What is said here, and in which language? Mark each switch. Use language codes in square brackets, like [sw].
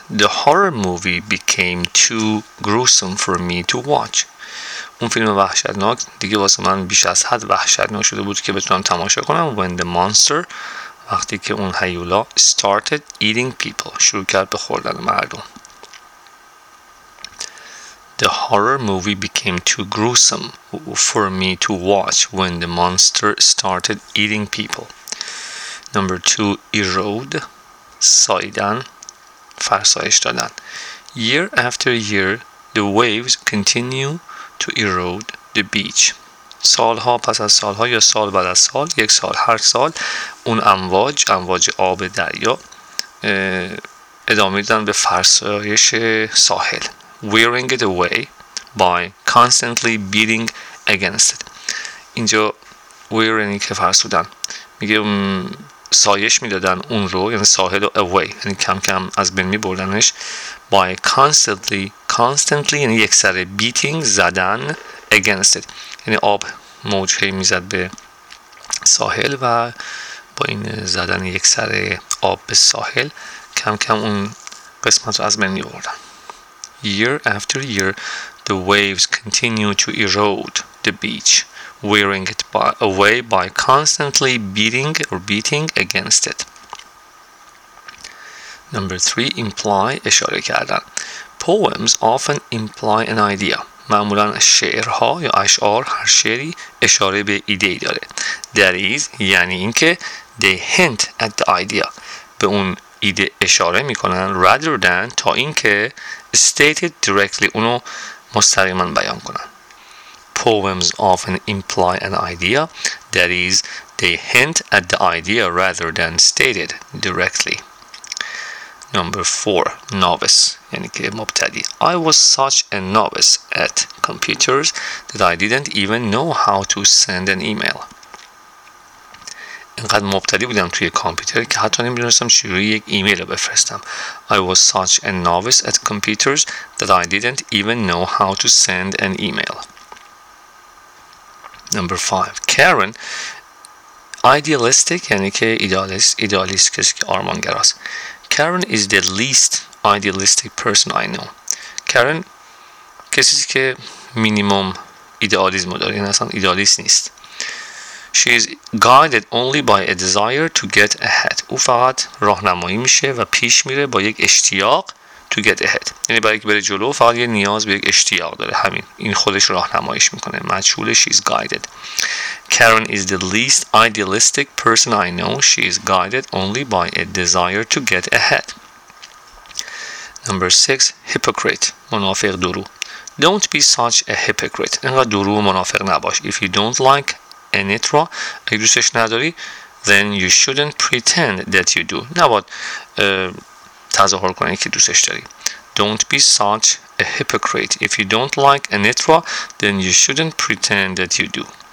[en] The horror movie became too gruesome for me to watch. [fa] اون فیلم وحشتناک دیگه واسه من بیش از حد وحشتناک شده بود که بتونم تماشا کنم. [en] When the monster, [fa] وقتی که اون هیولا [en] started eating people, [fa] شروع کرد به خوردن مردم. [en] The horror movie became too gruesome for me to watch when the monster started eating people. Number two, erode, [fa] سایدن, فرسایش دادن. [en] Year after year, the waves continue to erode the beach. [fa] سالها پس از سالها یا سال بعد از سال، یک سال هر سال، اون امواج آب دریا ادامه دادن به فرسایش ساحل. [en] Wearing it away by constantly beating against it. [fa] اینجا wearing که فرسودن میگه سایش میدادن اون رو، یعنی ساحل رو، away، یعنی کم کم از بین میبردنش. [en] By constantly [fa] یعنی یک سره beating، زدن [en] against it، [fa] یعنی آب موج هی میزد به ساحل و با این زدن یک سره آب به ساحل کم کم اون قسمت رو از بین میبردن. [en] Year after year, the waves continue to erode the beach, wearing it away by constantly beating against it. Number three, imply, [fa] اشاره کردن. [en] Poems often imply an idea. [fa] معمولاً شعرها یا اشعار، هر شعری اشاره به ایده‌ای داره. [en] That is, [fa] یعنی اینکه [en] they hint at the idea. [fa] به اون ایده اشاره میکنن [en] rather than [fa] تا اینکه [en] stated directly [fa] اونو مستقیما بیان کنن. [en] Poems often imply an idea, that is they hint at the idea rather than stated directly. Number 4, novice, [fa] یعنی که مبتدی. [en] I was such a novice at computers that I didn't even know how to send an email. [fa] اینقدر مبتدی بودم توی کامپیوتر که حتی نمیدونستم چجوری یک ایمیل رو بفرستم. [en] I was such a novice at computers that I didn't even know how to send an email. Number 5. [fa] Karen, idealistic, یعنی که ایدالیست، کسی که آرمانگراست. [en] Karen is the least idealistic person I know. [fa] Karen کسی که مینیمم ایدئالیسم داره، یعنی اصلا ایدئالیست نیست. [en] She is guided only by a desire to get ahead. [fa] او فقط راهنمایی میشه و پیش میره با یک اشتیاق [en] to get ahead. [fa] یعنی برای که بره جلو فقط یه نیاز به یک اشتیاق داره. همین. این خودش راهنماییش میکنه. مجهوله. [en] She is guided. Karen is the least idealistic person I know. She is guided only by a desire to get ahead. Number 6. Hypocrite. [fa] منافق درو. [en] Don't be such a hypocrite. [fa] اینقدر درو و منافق نباش. [en] If you don't like [fa] انترا، اگه دوستش نداری، [en] then you shouldn't pretend that you do. [fa] نباید تظاهر کنی که دوستش داری. [en] Don't be such a hypocrite. If you don't like انترا، then you shouldn't pretend that you do.